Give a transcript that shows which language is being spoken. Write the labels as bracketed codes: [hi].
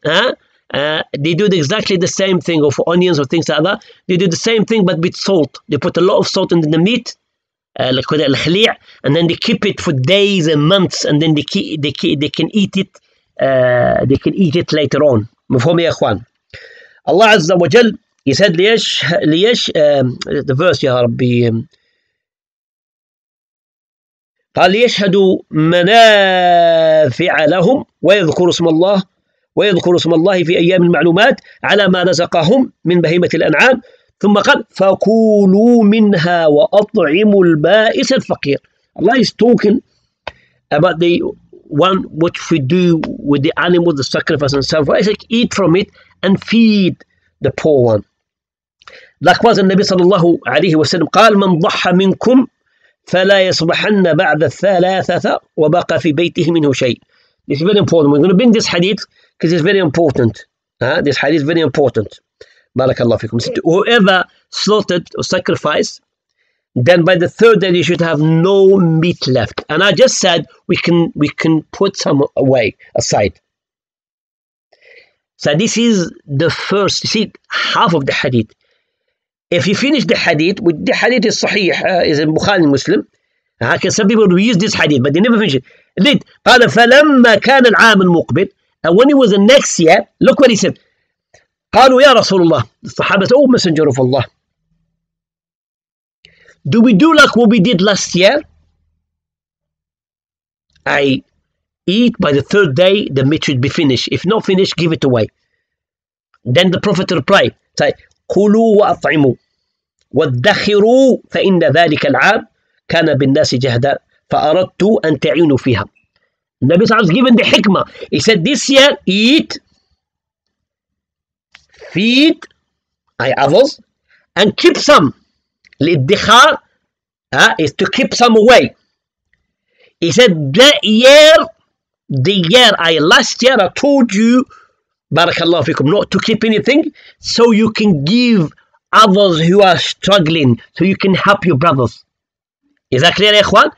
[en] They do exactly the same thing, or for onions or things like that. They do the same thing but with salt. They put a lot of salt in the meat, and then they keep it for days and months, and then they can eat it later on. Allah Azza wa Jal, he said, [ar] ليش, [en] the verse, Ya Rabbi, [ar] قال ليشهدوا منافع لهم ويذكروا اسم الله في أيام المعلومات على ما رزقهم من بهيمة الأنعام ثم قال فكلوا منها وأطعموا البائس الفقير. [en] Allah is talking about the one which we do with the animals, the sacrifice and sacrifice. It's like eat from it and feed the poor one. Likewise, [ar] النبي صلى الله عليه وسلم قال من ضحى منكم فلا يصبحن بعد الثلاثة وبقى في بيته منه شيء. [en] This is very important. We're going to bring this hadith because it's very important. This hadith is very important. Barakallahu fikum. Whoever slaughtered or sacrificed, then by the third day you should have no meat left. And I just said we can put some away aside. So this is the first. You see, half of the hadith. If you finish the hadith, with the hadith is sahih, is in Bukhari Muslim. Some people will use this hadith, but they never finish it. Lid, [ar] قال فلما كان العام المقبل, [en] and when it was the next year, look what he said. [ar] قالوا يا رسول الله, [en] the Sahaba said, oh Messenger of Allah, do we do like what we did last year? I eat by the third day, the meat should be finished. If not finished, give it away. Then the Prophet replied, say, [ar] قلوا وأطعموا وادخروا فإن ذلك العام كان بالناس جهدا فأردت أن تعينوا فيها. النبي صلى الله عليه وسلم [en] given the [ar] حكمة. [en] He said this year eat, feed, I others, and keep some. الادخار is to keep some away. He said last year I told you, Barakallahu fikum, not to keep anything, so you can give others who are struggling, so you can help your brothers. Is that clear, Ikhwan?